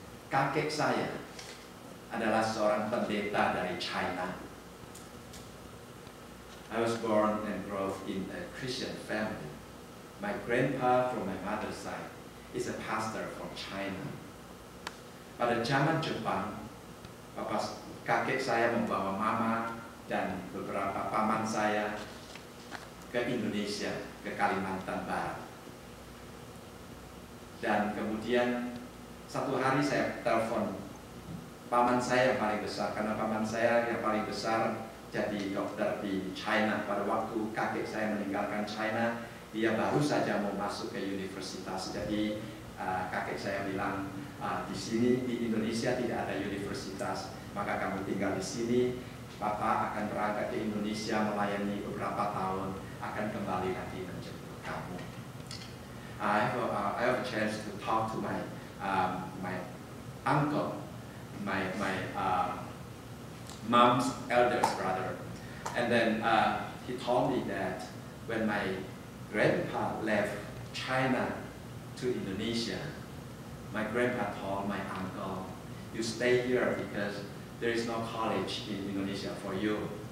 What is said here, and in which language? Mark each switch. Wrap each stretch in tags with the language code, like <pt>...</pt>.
<id>Kakek saya adalah seorang pendeta dari China.</id> <en>I was born and grew up in a Christian family. My grandpa from my mother's side is a pastor from China.</en> <id>Pada zaman Jepang, kakek saya membawa mama dan beberapa paman saya ke Indonesia, ke Kalimantan Barat. Dan kemudian satu hari saya telepon paman saya yang paling besar, karena paman saya yang paling besar jadi dokter di China. Pada waktu kakek saya meninggalkan China, dia baru saja mau masuk ke universitas. Jadi kakek saya bilang, di sini di Indonesia tidak ada universitas, maka kamu tinggal di sini. Papa akan berangkat ke Indonesia melayani beberapa tahun, akan kembali nanti menjemput kamu.</id> <en>I have a chance to talk to my uncle, my mom's eldest brother, and then he told me that when my grandpa left China to Indonesia, my grandpa told my uncle, "You stay here because there is no college in Indonesia for you."</en>